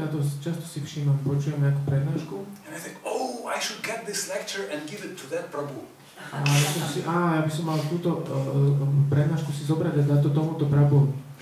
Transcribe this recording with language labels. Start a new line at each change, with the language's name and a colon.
Slovak: Ja to často si všímam, počujem nejakú prednášku.
English: And I think, oh, I should get this lecture and give it to that Prabhu.
Slovak: Ja by som mal túto prednášku si zobrať a dať to tomuto Prabhu.